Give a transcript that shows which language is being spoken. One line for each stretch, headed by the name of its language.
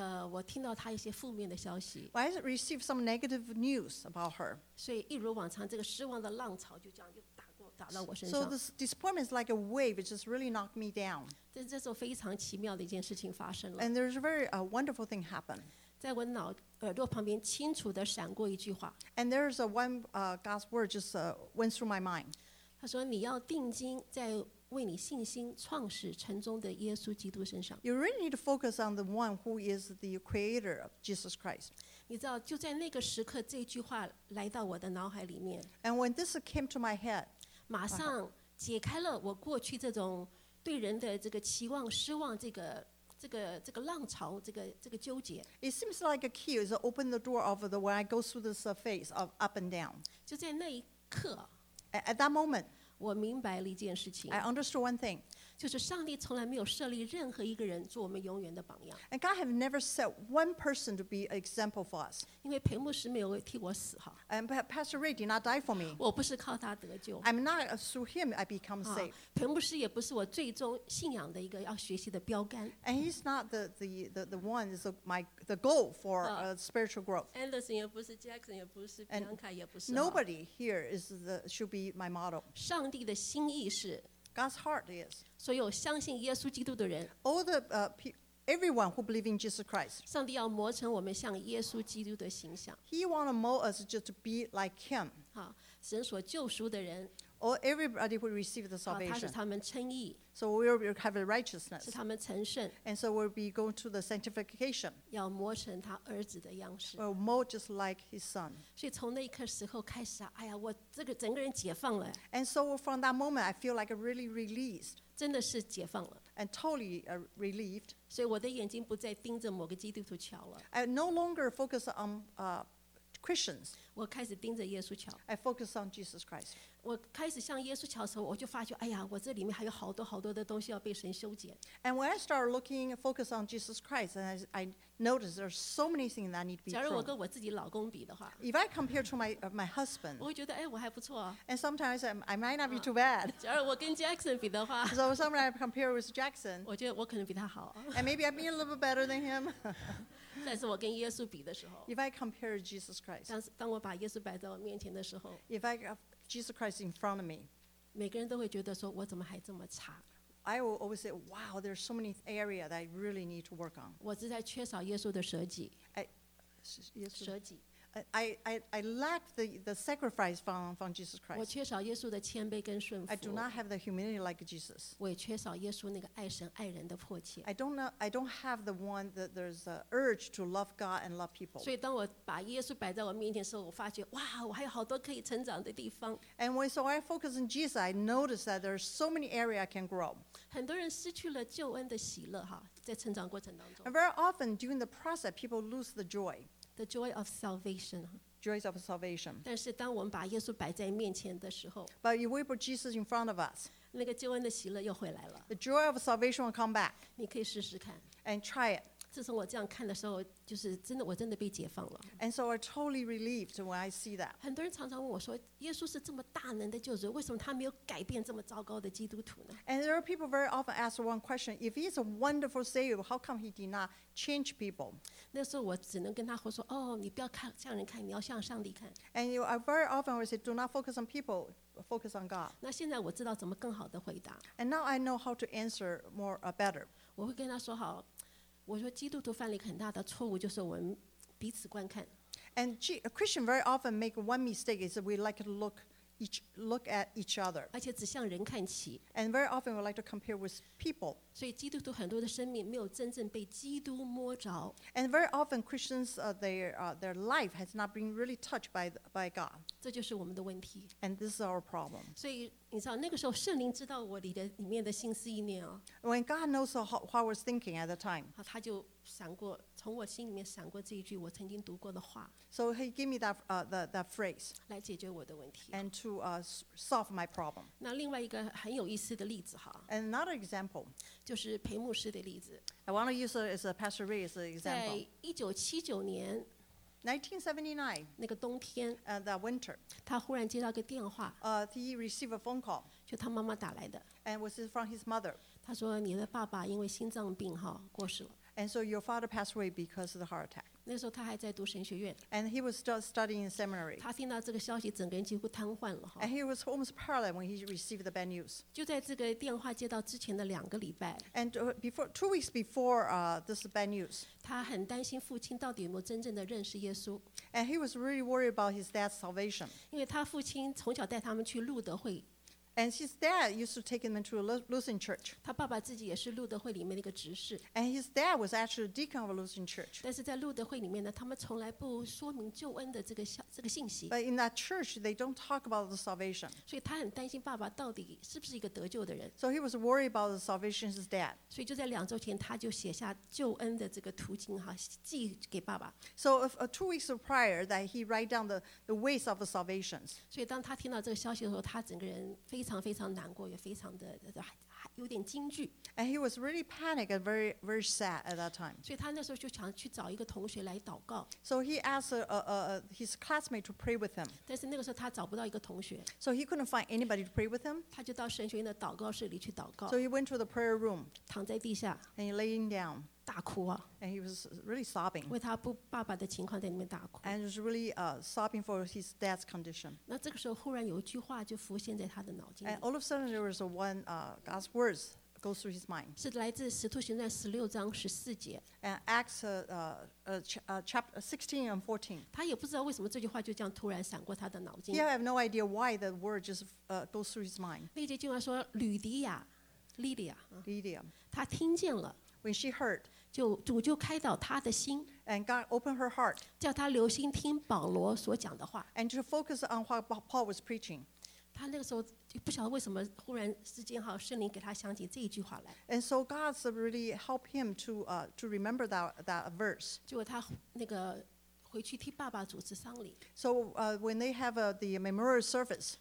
Chinese: 我听到他一些负面的消息。
English: Well, I received some negative news about her.
Chinese: 所以一如往常，这个失望的浪潮就这样又打到我身上。
English: So this disappointment is like a wave, it just really knocked me down.
Chinese: 但是这时候非常奇妙的一件事情发生了。
English: And there's a very wonderful thing happened.
Chinese: 在我脑耳朵旁边清楚地闪过一句话。
English: And there's God's word just went through my mind.
Chinese: 他说你要定睛在为你信心创始成终的耶稣基督身上。
English: You really need to focus on the one who is the creator of Jesus Christ.
Chinese: 你知道，就在那个时刻，这句话来到我的脑海里面。
English: And when this came to my head,
Chinese: 马上解开了我过去这种对人的这个期望、失望这个浪潮、这个纠结。
English: It seems like a key is open the door of the when I go through this phase of up and down.
Chinese: 就在那一刻。
English: At that moment.
Chinese: 我明白了一件事情。
English: I understood one thing.
Chinese: 就是上帝从来没有设立任何一个人做我们永远的榜样。
English: And God have never set one person to be an example for us.
Chinese: 因为裴牧师没有替我死哈。
English: And Pastor Ray did not die for me.
Chinese: 我不是靠他得救。
English: I'm not through him I become saved.
Chinese: 裴牧师也不是我最终信仰的一个要学习的标杆。
English: And he's not the one is the goal for spiritual growth.
Chinese: Anderson 也不是 ，Jackson 也不是 ，Bianca 也不是。
English: Nobody here should be my model.
Chinese: 上帝的心意是。
English: God's heart is.
Chinese: 所有相信耶稣基督的人。
English: All the everyone who believe in Jesus Christ.
Chinese: 上帝要磨成我们像耶稣基督的形象。
English: He want to mold us just to be like Him.
Chinese: 好，神所救赎的人。
English: Or everybody who receive the salvation.
Chinese: 他是他们称义。
English: So we will have a righteousness.
Chinese: 是他们成圣。
English: And so we'll be going to the sanctification.
Chinese: 要磨成他儿子的样式。
English: We'll mold just like His Son.
Chinese: 所以从那一刻时候开始，哎呀，我这个整个人解放了。
English: And so from that moment, I feel like I really released.
Chinese: 真的是解放了。
English: And totally relieved.
Chinese: 所以我的眼睛不再盯着某个基督徒瞧了。
English: I no longer focus on Christians.
Chinese: 我开始盯着耶稣瞧。
English: I focus on Jesus Christ.
Chinese: 我开始向耶稣瞧的时候，我就发觉，哎呀，我这里面还有好多好多的东西要被神修剪。
English: And when I start looking, focus on Jesus Christ, and I notice there's so many things that need to be pruned.
Chinese: 假如我跟我自己老公比的话
English: ，If I compare to my husband,
Chinese: 我会觉得，哎，我还不错。
English: And sometimes I might not be too bad.
Chinese: 假如我跟 Jackson 比的话
English: ，So sometimes I compare with Jackson.
Chinese: 我觉得我可能比他好。
English: And maybe I'm being a little better than him.
Chinese: 但是我跟耶稣比的时候
English: ，If I compare Jesus Christ,
Chinese: 当我把耶稣摆在我面前的时候
English: ，If I Jesus Christ in front of me.
Chinese: 每个人都会觉得说我怎么还这么差。
English: I will always say, wow, there's so many areas that I really need to work on.
Chinese: 我只在缺少耶稣的舍己。舍己。
English: I lack the sacrifice from Jesus Christ.
Chinese: 我缺少耶稣的谦卑跟顺服。
English: I do not have the humility like Jesus.
Chinese: 我也缺少耶稣那个爱神爱人的迫切。
English: I don't have the one that there's a urge to love God and love people.
Chinese: 所以当我把耶稣摆在我面前的时候，我发觉哇，我还有好多可以成长的地方。
English: And when so I focus on Jesus, I notice that there's so many areas I can grow.
Chinese: 很多人失去了救恩的喜乐哈，在成长过程当中。
English: And very often during the process, people lose the joy. The joy of salvation. Joys of salvation.
Chinese: 但是当我们把耶稣摆在面前的时候
English: But if we put Jesus in front of us,
Chinese: 那个救恩的喜乐又回来了
English: The joy of salvation will come back.
Chinese: 你可以试试看
English: And try it.
Chinese: 自从我这样看的时候，就是真的，我真的被解放了
English: And so I'm totally relieved when I see that.
Chinese: 很多人常常问我说，耶稣是这么大能的救主，为什么他没有改变这么糟糕的基督徒呢
English: And there are people very often ask one question: If he is a wonderful Savior, how come he did not? Change people.
Chinese: 那时候我只能跟他说：“哦，你不要看向人看，你要向上帝看。”
English: And you are very often we say, "Do not focus on people, focus on God."
Chinese: 那现在我知道怎么更好的回答。
English: And now I know how to answer more better.
Chinese: 我会跟他说：“好，我说基督徒犯了很大的错误，就是我们彼此观看。”
English: And a Christian very often make one mistake is we like to look at each other.
Chinese: 而且只向人看齐。
English: And very often we like to compare with people.
Chinese: 所以基督徒很多的生命没有真正被基督摸着。
English: And very often Christians, their life has not been really touched by God.
Chinese: 这就是我们的问题。
English: And this is our problem.
Chinese: 所以你知道那个时候圣灵知道我的里面的心思意念哦。
English: When God knows how I was thinking at the time.
Chinese: 他就闪过从我心里面闪过这一句我曾经读过的话。
English: So he gave me that phrase.
Chinese: 来解决我的问题。
English: And to solve my problem.
Chinese: 那另外一个很有意思的例子哈。
English: And another example.
Chinese: 就是裴牧师的例子。
English: I want to use it as a Pastor Ray's example.
Chinese: 在1979年。
English: 1979,
Chinese: 那个冬天
English: that winter,
Chinese: 他忽然接到个电话
English: he received a phone call,
Chinese: 就他妈妈打来的
English: and was it from his mother.
Chinese: 他说你的爸爸因为心脏病哈过世了
English: and so your father passed away because of the heart attack.
Chinese: 那时候他还在读神学院
English: and he was still studying in seminary.
Chinese: 他听到这个消息整个人几乎瘫痪了
English: and he was almost paralyzed when he received the bad news.
Chinese: 就在这个电话接到之前的两个礼拜
English: and two weeks before this bad news,
Chinese: 他很担心父亲到底有没有真正的认识耶稣。
English: And he was really worried about his dad's salvation.
Chinese: 因为他父亲从小带他们去路德会。
English: And his dad used to take them to a Lutheran church.
Chinese: 他爸爸自己也是路德会里面的一个执事。
English: And his dad was actually a deacon of a Lutheran church.
Chinese: 但是在路德会里面呢，他们从来不说明救恩的这个信息。
English: But in that church, they don't talk about the salvation.
Chinese: 所以他很担心爸爸到底是不是一个得救的人。
English: So he was worried about the salvation of his dad.
Chinese: 所以就在两周前，他就写下救恩的这个途径哈，寄给爸爸。
English: So two weeks prior, that he write down the ways of the salvation.
Chinese: 所以当他听到这个消息的时候，他整个人非常难过，也非常的有点惊惧。
English: And he was really panicked and very very sad at that time.
Chinese: 所以他那时候就想去找一个同学来祷告。
English: So he asked his classmate to pray with him.
Chinese: 但是那个时候他找不到一个同学。
English: So he couldn't find anybody to pray with him.
Chinese: 他就到神学院的祷告室里去祷告。
English: So he went to the prayer room.
Chinese: 躺在地下。
English: And he laying down.
Chinese: 大哭啊。
English: And he was really sobbing.
Chinese: 为他爸爸的情况在里面大哭。
English: And he was really sobbing for his dad's condition.
Chinese: 那这个时候忽然有一句话就浮现在他的脑筋。
English: And all of a sudden there was one God's words. Goes through his mind.
Chinese: 是来自《使徒行传》十六章十四节。
English: And Acts chapter 16 and 14.
Chinese: 他也不知道为什么这句话就这样突然闪过他的脑筋。
English: He have no idea why the word just goes through his mind.
Chinese: 那节经文说，吕迪亚 ，Lydia，他听见了。
English: When she heard,
Chinese: 就主就开导他的心。
English: And God opened her heart.
Chinese: 叫他留心听保罗所讲的话。
English: And to focus on what Paul was preaching.
Chinese: 他那个时候就不晓得为什么忽然之间哈圣灵给他想起这一句话来。
English: And so God's really helped him to remember that verse.
Chinese: 结果他那个回去替爸爸主持丧礼。
English: So when they have the memorial service,